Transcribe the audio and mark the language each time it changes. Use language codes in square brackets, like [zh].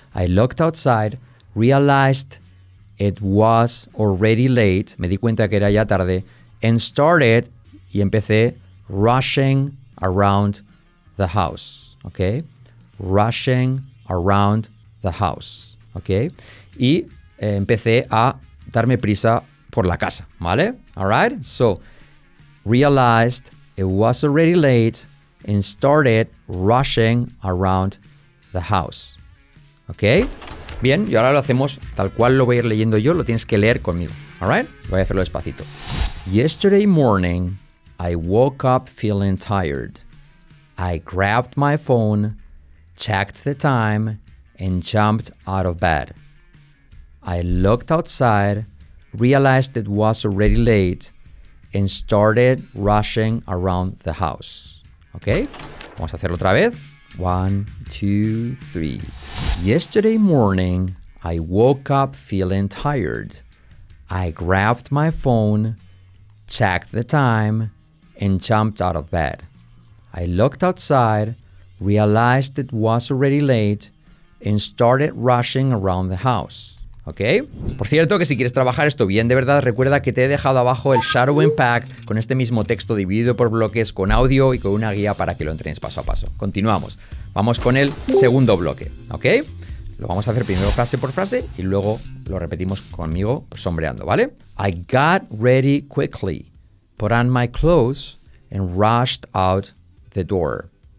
[en] I looked outside, realized it was already late, [es] me di cuenta que era ya tarde, [en] and started, [es] y empecé, [en] rushing around the house, ¿ok? Rushing around the house, ¿ok? [es] Y empecé a darme prisa por la casa, ¿vale? [en] All right? So, realized it was already late, and started rushing around the house. ¿Ok? [es] Bien, y ahora lo hacemos tal cual lo voy a ir leyendo yo, lo tienes que leer conmigo. [en] ¿All right? [es] Voy a hacerlo despacito. [en] Yesterday morning, I woke up feeling tired. I grabbed my phone, checked the time, and jumped out of bed. I looked outside, realized it was already late, and started rushing around the house. [es] ¿Ok? Vamos a hacerlo otra vez. [en] One, two, three. Yesterday morning, I woke up feeling tired. I grabbed my phone, checked the time, and jumped out of bed. I looked outside, realized it was already late, and started rushing around the house. ¿Ok? [es] Por cierto, que si quieres trabajar esto bien de verdad, recuerda que te he dejado abajo el shadowing pack con este mismo texto dividido por bloques, con audio y con una guía para que lo entrenes paso a paso. Continuamos. Vamos con el segundo bloque. ¿Ok? Lo vamos a hacer primero frase por frase y luego lo repetimos conmigo sombreando, ¿vale? [en] I got ready quickly, put on my clothes and rushed out the door.